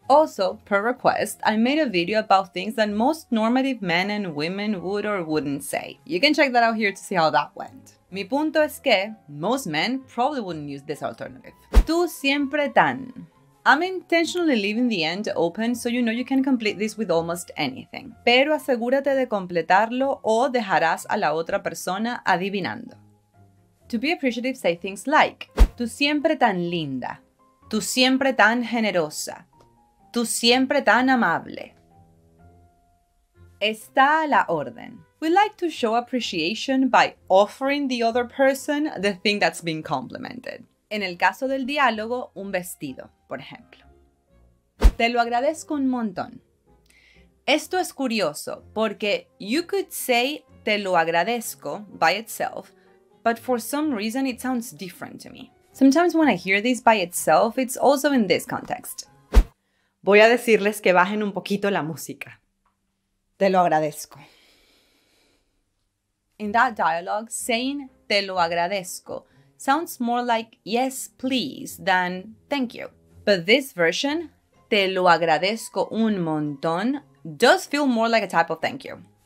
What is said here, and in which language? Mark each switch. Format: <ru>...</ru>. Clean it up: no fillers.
<en>Also, per request, I made a video about things that most normative men and women would or wouldn't say. You can check that out here to see how that went.</en> <es>Mi punto es que</es> <en>most men probably wouldn't use this alternative.</en> <es>Tú siempre tan.</es> <en>I'm intentionally leaving the end open so you know you can complete this with almost anything.</en> <es>Pero asegúrate de completarlo o dejarás a la otra persona adivinando.</es> <en>To be appreciative, say things like</en> <es>tú siempre tan linda. Tú siempre tan generosa. Tú siempre tan amable. Está a la orden.</es> <en>We like to show appreciation by offering the other person the thing that's been complimented.</en> <es>En el caso del diálogo, un vestido, por ejemplo. Te lo agradezco un montón. Esto es curioso porque</es> <en>you could say</en> <es>te lo agradezco</es> <en>by itself, but for some reason it sounds different to me. Sometimes when I hear this by itself, it's also in this context.</en> <es>Voy a decirles que bajen un poquito la música. Te lo agradezco.</es> <en>In that dialogue, saying</en> <es>te lo agradezco</es> <en>sounds more like yes, please, than thank you. But this version,</en> <es>te lo agradezco un montón,</es> <en>does feel more like a type of thank you.</en>